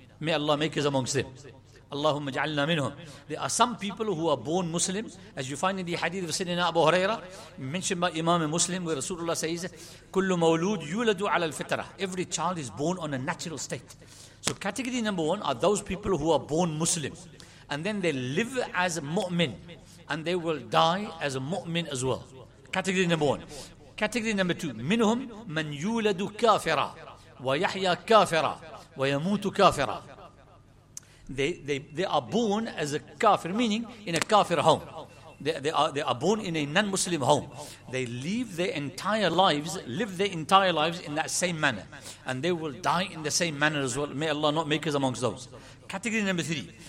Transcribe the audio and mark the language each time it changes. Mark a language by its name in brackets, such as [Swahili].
[English] May Allah make us amongst them. [Arabic] Allahumma ja'alna minhum. [English] There are some people who are born Muslim, as you find in the hadith of Sayyidina Abu Huraira, mentioned by Imam Muslim, where Rasulullah says, [Arabic] كُلُّ مَوْلُودُ يُولَدُ عَلَى الْفِتْرَةِ. [English] Every child is born on a natural state. So category number one are those people who are born Muslim. And then they live as a mu'min. And they will die as a mu'min as well. Category number one. Category number two. [Arabic] مِنْهُمْ مَنْ يُولَدُ كَافِرًا وَيَحْيَى كَافِرًا وَيَمُوتُ كَافِرًا. [English] They are born as a kafir, meaning in a kafir home. They are born in a non-Muslim home. They live their entire lives, in that same manner. And they will die in the same manner as well. May Allah not make us amongst those. Category number three.